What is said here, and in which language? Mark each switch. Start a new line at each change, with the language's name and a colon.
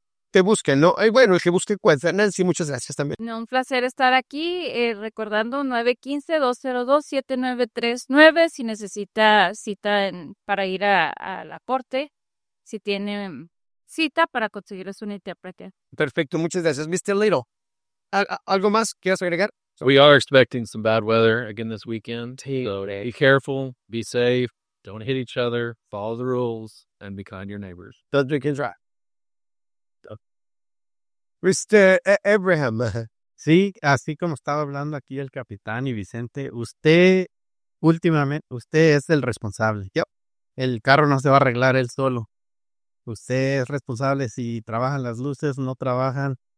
Spanish: Te busquen, ¿no? Bueno, el que busque cuenta. Nancy, muchas gracias también. No, un placer estar aquí, recordando 915-202-7939, si necesita cita para ir a la corte, si tiene cita para conseguirles un intérprete. Perfecto, muchas gracias. Mr. Little, ¿algo más quieres agregar?
English: We are expecting some bad weather again this weekend, so be careful, be safe, don't hit each other, follow the rules, and be kind to your neighbors. Don't drink and drive. Mr. Abraham.
Spanish: Sí, así como estaba hablando aquí el capitán y Vicente, usted es el responsable.
English: Yep.
Spanish: El carro no se va a arreglar él solo. Usted es responsable si trabajan las luces, no trabajan,